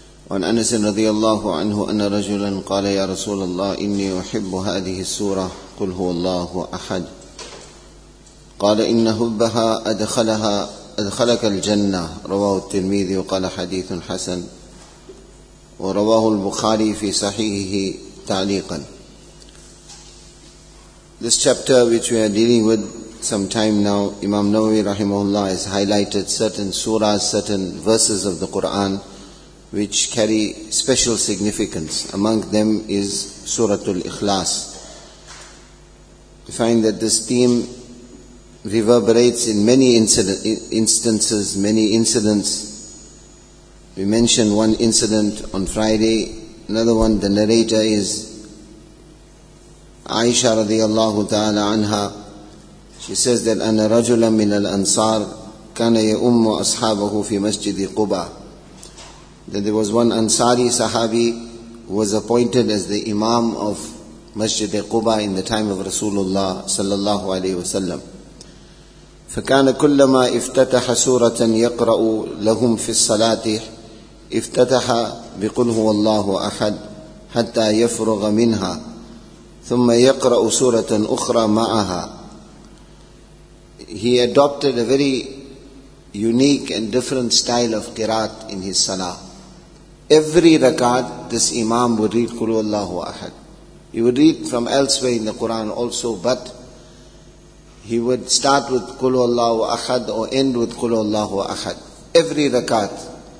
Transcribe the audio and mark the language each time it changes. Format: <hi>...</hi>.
<ar>وعن أنس رضي الله عنه أن رجلا قال: يا رسول الله، إني أحب هذه السورة، قل هو الله أحد. قال: إن حبها أدخلك الجنة. رواه الترمذي، وقال: حديث حسن. ورواه البخاري في صحيحه تعليقا.</ar> <en>This chapter which we are dealing with some time now, Imam Nawawi rahimahullah has highlighted certain surahs, certain verses of the Quran which carry special significance. Among them is Suratul Ikhlas. We find that this theme reverberates in many instances, many incidents. We mentioned one incident on Friday. Another one, the narrator is Aisha radiallahu ta'ala anha. She says that</en> <ar>أنا رجلا من الأنصار كان يؤم أصحابه في مسجد قباء.</ar> <en>That there was one Ansari Sahabi who was appointed as the Imam of Masjid Quba in the time of Rasulullah sallallahu alaihi wasallam.</en> <ar>فكان كلما افتتح سورة يقرأ لهم في الصلاة افتتح بقل هو الله أحد حتى يفرغ منها ثم يقرأ سورة أخرى معها.</ar> <en>He adopted a very unique and different style of qiraat in his salah. Every rakat, this imam would read Qulhu Allahu Ahad. He would read from elsewhere in the Quran also, but he would start with Qulhu Allahu Ahad or end with Qulhu Allahu Ahad. Every rakat.</en>